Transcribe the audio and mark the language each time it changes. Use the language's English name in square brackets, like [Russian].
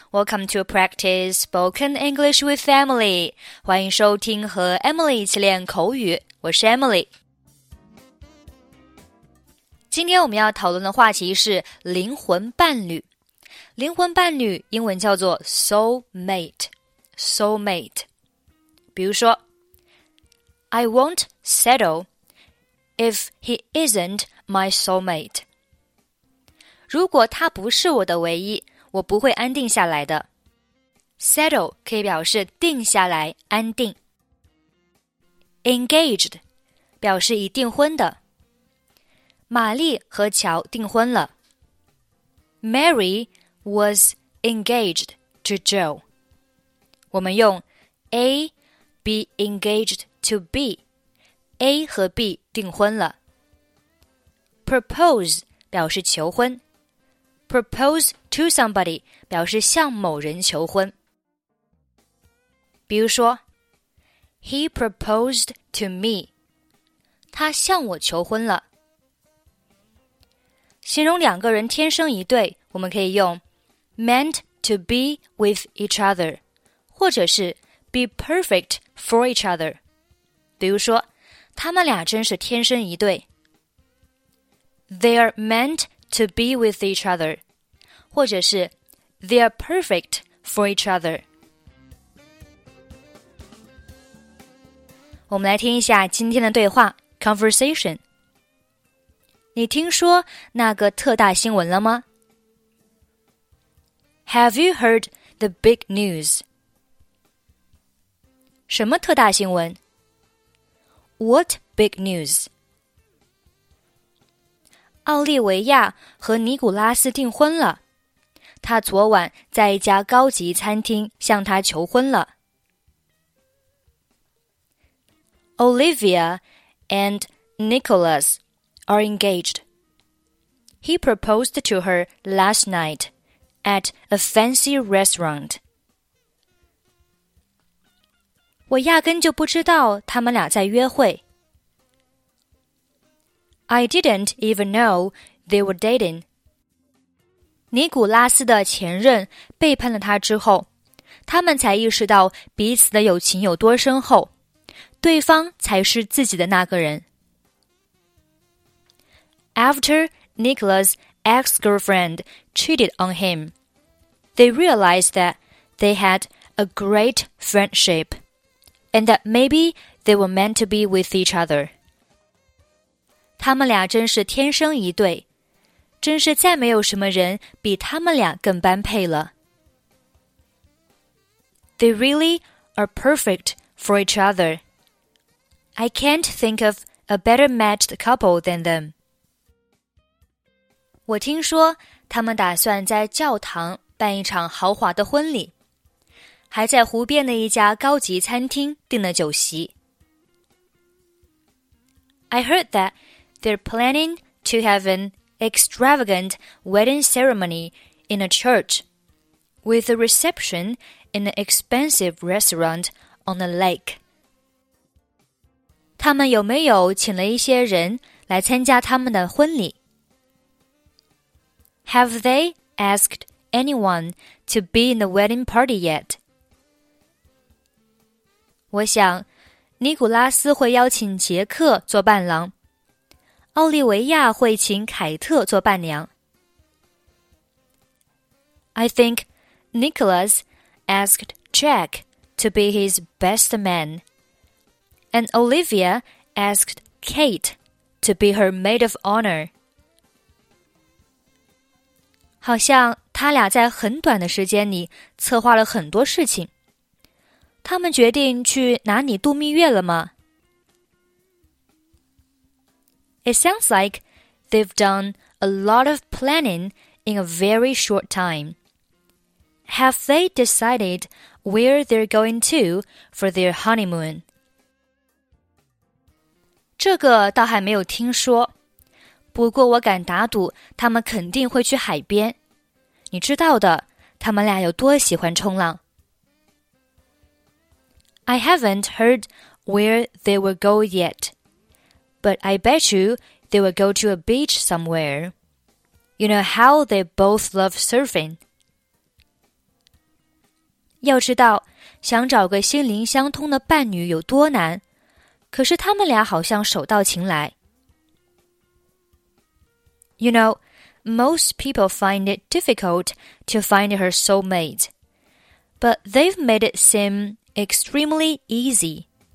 [English] Welcome to Practice Spoken English with Emily. [Chinese] 欢迎收听和 Emily 一起练口语。我是 Emily。今天我们要讨论的话题是灵魂伴侣。灵魂伴侣英文叫做 soulmate。 [English] soulmate。比如说 I won't settle if he isn't my soulmate. [Chinese] 如果他不是我的唯一我不会安定下来的。 Settle 可以表示定下来、安定。Engaged 表示已订婚的。玛丽和乔订婚了。 [English] Mary was engaged to Joe. [Chinese] 我们用 [English] A be engaged to B. [Chinese] A 和 B 订婚了。 Propose 表示求婚。Propose to somebody 表示向某人求婚。比如说 [English] He proposed to me. [Chinese] 他向我求婚了。形容两个人天生一对我们可以用 [English] meant to be with each other, [Chinese] 或者是 [English] be perfect for each other. [Chinese] 比如说他们俩真是天生一对。 [English] They are meant to be with each other. [Chinese] 或者是 [English] They are perfect for each other. [Chinese] 我们来听一下今天的对话 Conversation. 你听说那个特大新闻了吗 [English] Have you heard the big news? [Chinese] 什么特大新闻 [English] What big news? [Chinese] 奥利维亚和尼古拉斯订婚了。他昨晚在一家高级餐厅向他求婚了。 [English] Olivia and Nicholas are engaged. He proposed to her last night at a fancy restaurant. [Chinese] 我压根就不知道他们俩在约会。 [English] I didn't even know they were dating. [Chinese] 尼古拉斯的前任背叛了他之后，他们才意识到彼此的友情有多深厚，对方才是自己的那个人。 [English] After Nicholas' ex-girlfriend cheated on him, they realized that they had a great friendship, and that maybe they were meant to be with each other. [Chinese] 他们俩真是天生一对。真是再没有什么人比他们俩更般配了。 [English] They really are perfect for each other. I can't think of a better matched couple than them. [Chinese] 我听说他们打算在教堂办一场豪华的婚礼，还在湖边的一家高级餐厅订了酒席。 [English] I heard that they're planning to have an extravagant wedding ceremony in a church with a reception in an expensive restaurant on a lake. [Chinese] 他们有没有请了一些人来参加他们的婚礼? [English] Have they asked anyone to be in the wedding party yet? [Chinese] 我想尼古拉斯会邀请杰克做伴郎。奥利维亚会请凯特做伴娘。 [English] I think Nicholas asked Jack to be his best man, and Olivia asked Kate to be her maid of honor. [Chinese] 好像他俩在很短的时间里策划了很多事情。他们决定去哪里度蜜月了吗？ [English] It sounds like they've done a lot of planning in a very short time. Have they decided where they're going to for their honeymoon? [Chinese] 这个倒还没有听说。不过我敢打赌他们肯定会去海边。你知道的，他们俩有多喜欢冲浪。 [English] I haven't heard where they will go yet. But I bet you they will go to a beach somewhere. You know how they both love surfing. [Chinese] 要知道，想找个心灵相通的伴侣有多难，可是他们俩好像手到擒来。 [English] You know, most people find it difficult to find her soulmate, but they've made it seem extremely easy.